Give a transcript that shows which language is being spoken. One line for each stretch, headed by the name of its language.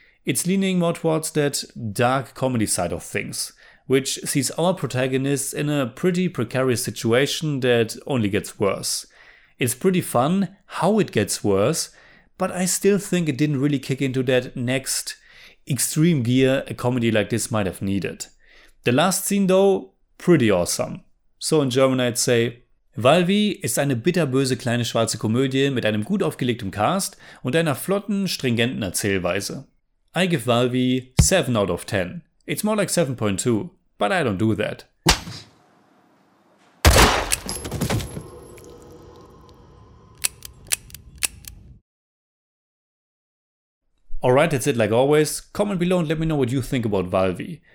English: It's leaning more towards that dark comedy side of things, which sees our protagonists in a pretty precarious situation that only gets worse. It's pretty fun how it gets worse, but I still think it didn't really kick into that next extreme gear a comedy like this might have needed. The last scene though, pretty awesome. So in German I'd say,
German: Vaalvi ist eine bitterböse kleine schwarze Komödie mit einem gut aufgelegtem Cast und einer flotten, stringenten Erzählweise.
English: I give Vaalvi 7 out of 10. It's more like 7.2, but I don't do that. Alright, that's it like always. Comment below and let me know what you think about Vaalvi.